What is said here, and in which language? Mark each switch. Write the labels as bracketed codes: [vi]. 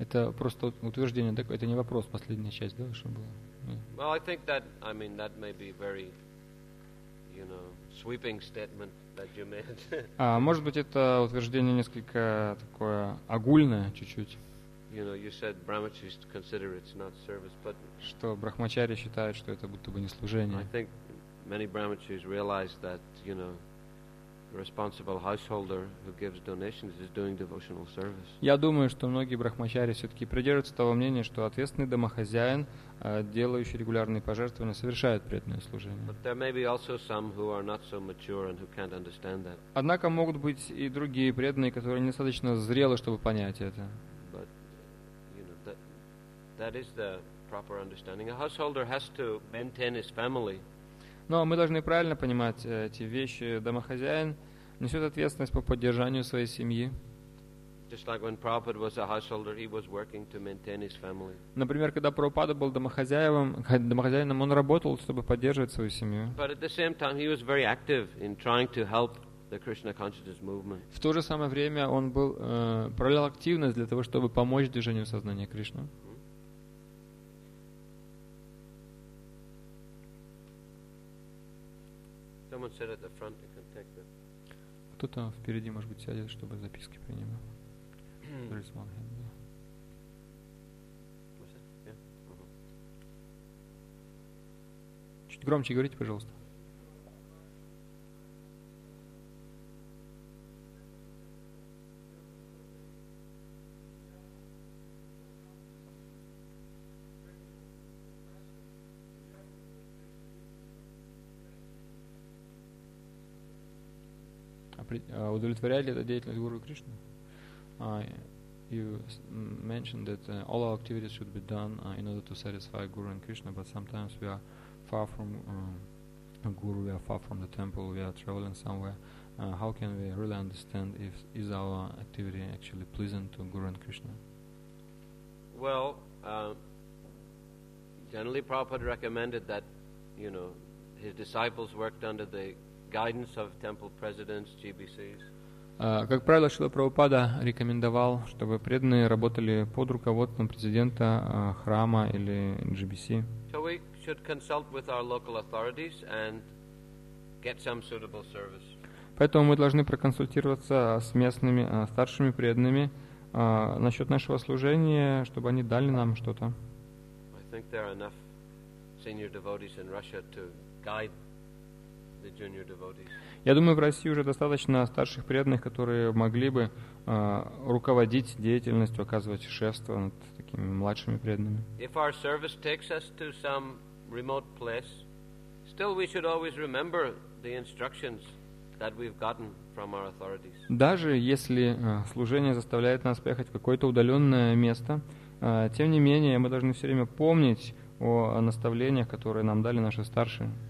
[ru] Это просто утверждение такое. Это не вопрос. Последняя часть, да, что было. Yeah. [en] Well, I think that, I mean, that may be very, you know, sweeping statement that you made. [ru] А может быть это утверждение несколько такое огульное чуть-чуть. [en] You know, you said brahmacharis consider it's not service, but [ru] что брахмачари считают, что это будто бы не служение. [en] I think many brahmacharis realize that, you know, responsible householder who gives donations is doing devotional service. [ru] Я думаю, что многие брахмачари все-таки придерживаются того мнения, что ответственный домохозяин, делающий регулярные пожертвования, совершает преданное служение. [en] But there may be also some who are not so mature and who can't understand that. [ru] Однако могут быть и другие преданные, которые недостаточно зрелы, чтобы понять это. [en] But, you know, that is the proper understanding. A householder has to maintain his family. [ru] Но мы должны правильно понимать эти вещи. Домохозяин несет ответственность по поддержанию своей семьи. [en] Just like when Prabhupada was a householder, he was working to maintain his family. [ru] Например, когда Прабхупада был домохозяином, он работал, чтобы поддерживать свою семью. [en] But at the same time, he was very active in trying to help the Krishna consciousness movement. [ru] В то же самое время он был проявлял активность для того, чтобы помочь движению сознания Кришны. [en] Someone said at the front, you can take the. [ru] Кто там впереди, может быть, сядет, чтобы записки принимал. [en] There is one hand. What's that? Yeah. Mm-hmm. [ru] Чуть громче говорите, пожалуйста. Удовлетворяет ли это деятельность Гуру Кришны? [en] You mentioned that all our activities should be done in order to satisfy Guru and Krishna, but sometimes we are far from Guru, we are far from the temple, we are traveling somewhere. How can we really understand if is our activity actually pleasing to Guru and Krishna? Well, generally Prabhupada recommended that, you know, his disciples worked under the guidance of temple presidents, GBCs. [ru] Как правило, Шрила Прабхупада рекомендовал, чтобы преданные работали под руководством президента храма или GBC. [en] So we should consult with our local authorities and get some suitable service. [ru] Поэтому мы должны проконсультироваться с местными старшими преданными насчет нашего служения, чтобы они дали нам что-то. [en] I think there are enough senior devotees in Russia to guide the junior devotees. [ru] Я думаю, в России уже достаточно старших преданных, которые могли бы руководить деятельностью, оказывать шефство над такими младшими преданными. [en] If our service takes us to some remote place, still we should always remember the instructions that we've gotten from our authorities. [ru] Даже если служение заставляет нас поехать в какое-то удаленное место, тем не менее мы должны все время помнить о наставлениях, которые нам дали наши старшие.